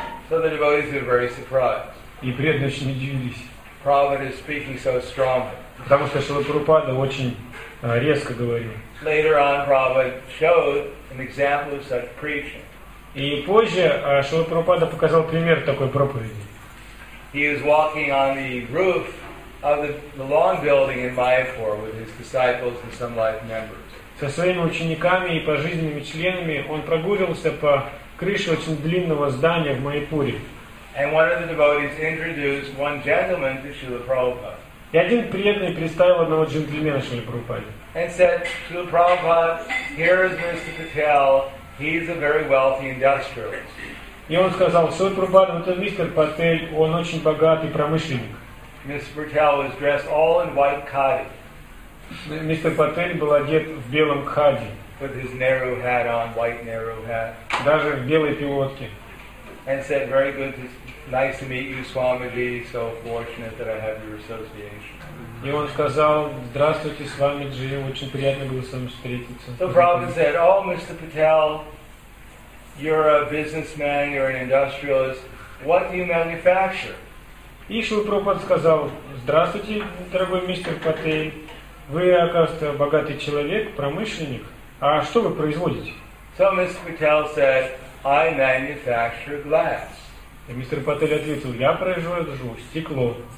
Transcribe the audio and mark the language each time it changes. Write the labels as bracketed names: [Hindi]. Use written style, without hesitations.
[English] So the devotees were very surprised. [Russian] И преданные очень удивились. [English] Prabhupada is speaking so strongly. [Russian] Потому что Шрила Прабхупада очень резко говорил. [English] Later on, Prabhupada showed an example of such preaching. [Russian] И позже Шрила Прабхупада показал пример такой проповеди. [English] He was walking on the roof of the long building in Mayapur with his disciples and some life members. [Russian] Со своими учениками и пожизненными членами он прогуливался по крыше очень длинного здания в Майпуре. [English] And one of the devotees introduced one gentleman to Srila Prabhupada. [Russian] И один преданный представил одного джентльмена Шриле Прабхупаде. [English] And said, Srila Prabhupada, here is Mr. Patel. He's a very wealthy industrialist. [Russian] И он сказал, Шрила Прабхупада, вот этот мистер Патель, он очень богатый промышленник. [English] Mr. Patel was dressed all in white khadi. [Russian] Мистер Патель был одет в белом кхади. [English] With his narrow hat on, white narrow hat. [Russian] Даже в белой пилотке. [English] And said, very good, nice to meet you, Swamiji, so fortunate that I have your association. [Russian] И он сказал, здравствуйте, Свамиджи, очень приятно было с вами встретиться. [English] So Prabhupada said, oh, Mr. Patel, you're a businessman, you're an industrialist, what do you manufacture? [Russian] И Шрила Прабхупада сказал, здравствуйте, дорогой мистер Патель, вы, оказывается, богатый человек, промышленник, а что вы производите? [English] So Mr. Patel said, I manufacture glass. [Russian] И мистер Патель ответил, я произвожу стекло.